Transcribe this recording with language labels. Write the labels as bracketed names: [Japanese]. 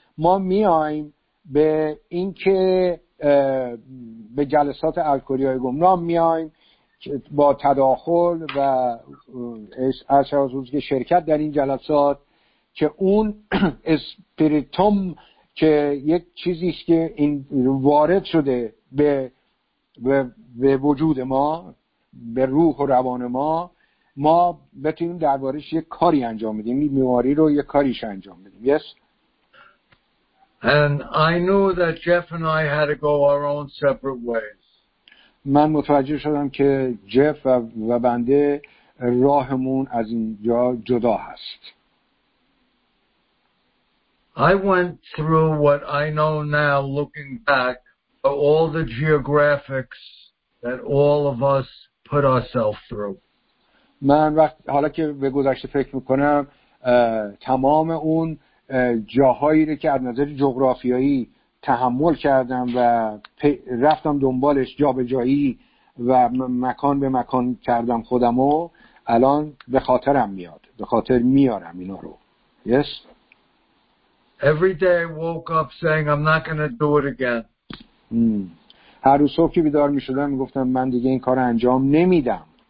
[Persian] ما میایم به این که به جلسات الکلی‌های گمنام میایم با تداخل و از شرکت در این جلسات که اون اسپریتوم که یک چیزی است که این وارد شده به وجود ما به روح و روان ما ما بتونیم دربارش یک کاری انجام بدیم این بیماری رو یک کاریش انجام بدیم yes [English] and I knew that Jeff and I had to go our own separate ways [Persian] من متوجه شدم که جف و بنده راهمون از اینجا جدا هست [English] I went through what I know now looking back for all the geographics that all of us put ourselves through. [Persian] من وقت حالا که به گذشته فکر میکنم تمام اون جاهایی رو که از نظر جغرافیایی تحمل کردم و رفتم دنبالش جا به جایی و مکان به مکان کردم خودمو الان به خاطرم میاد به خاطر میارم اینا رو yes [English] Every day I woke up saying I'm not going to do it again. [Persian] هر روز صبح که بیدار می‌شدم می‌گفتم من دیگه این کارو انجام نمیدم.